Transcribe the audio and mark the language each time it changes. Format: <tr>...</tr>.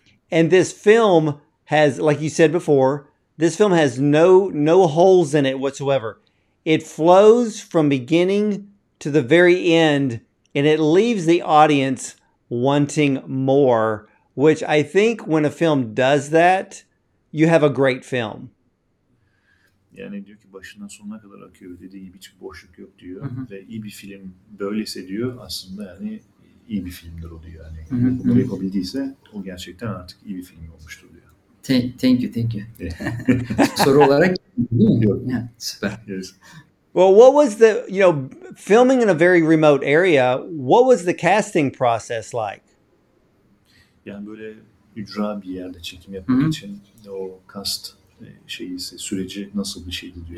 <en>And this film has, like you said before, this film has no holes in it whatsoever. It flows from beginning to the very end, and it leaves the audience wanting more, which I think when a film does that, you have a great film.</en> <tr>Yani diyor ki başından sonuna kadar akıyor dediği gibi hiç boşluk yok diyor. Hı-hı. Ve iyi bir film böylese diyor aslında yani iyi bir filmdir o diyor. Yani bunu yapabildiyse o gerçekten artık iyi bir film olmuştur diyor.</tr> <en>Thank you.</en> <tr>Soru olarak diyor.</tr> <en>Yeah,</en> <tr>süper.</tr> <en>Yes. Well, what was the, you know, filming in a very remote area, what was the casting process like?</en> <tr>Yani böyle ücra bir yerde çekim yapmak Hı-hı. için o cast şeyisi, süreci nasıl bir şeydi diyor.</tr>